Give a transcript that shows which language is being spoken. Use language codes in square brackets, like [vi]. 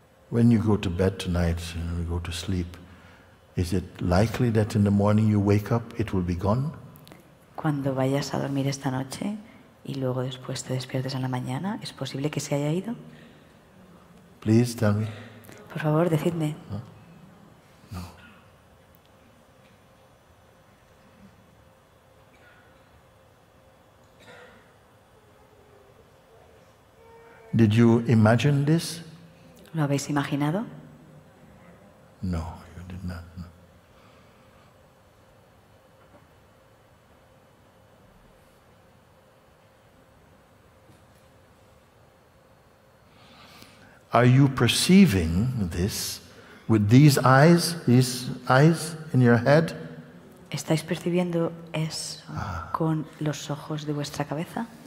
[en] When you go to bed tonight and you go to sleep, is it likely that in the morning you wake up, it will be gone? [es] Cuando vayas a dormir esta noche, y luego después te despiertes en la mañana, ¿es posible que se haya ido? [en] Please tell me. [es] Por favor, decidme. No. [en] Did you imagine this? [es] ¿Lo habéis imaginado? [en] No, you did not. No. Are you perceiving this with these eyes in your head? [es] ¿Estáis percibiendo eso con los ojos de vuestra cabeza?